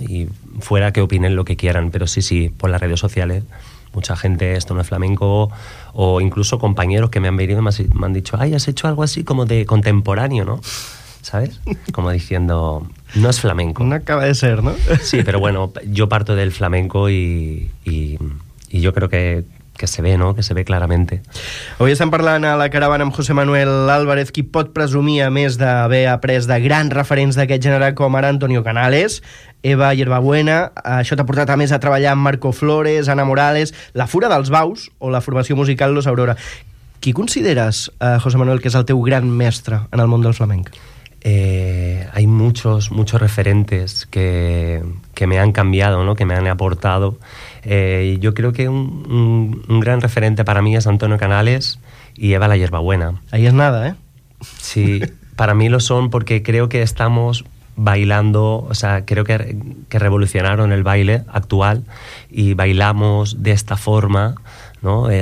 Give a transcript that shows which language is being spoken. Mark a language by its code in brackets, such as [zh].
[es] Y fuera que opinen lo que quieran, pero sí, por las redes sociales, mucha gente, esto no es flamenco, o incluso compañeros que me han venido y me han dicho, ay, has hecho algo así como de contemporáneo, ¿no? ¿Sabes? Como diciendo, no es flamenco. No acaba de ser, ¿no? Sí, pero bueno, yo parto del flamenco y yo creo que se ve, ¿no? Que se ve claramente. [ca] Avui estem parlant a la caravana amb José Manuel Álvarez, qui pot presumir, a més d'haver après de grans referents d'aquest gènere, com ara Antonio Canales, Eva Hierbabuena, això t'ha portat a més a treballar amb Marco Flores, Ana Morales, La Fura dels Baus o la formació musical Los Aurora. Qui consideres, José Manuel, que és el teu gran mestre en el món del flamenc? [es] Hay muchos referentes que me han cambiado, ¿no? Que me han aportado. Yo creo que un gran referente para mí es Antonio Canales y Eva la Hierbabuena. Ahí es nada, ¿eh? Sí, para mí lo son porque creo que estamos bailando, o sea, creo que revolucionaron el baile actual y bailamos de esta forma, ¿no?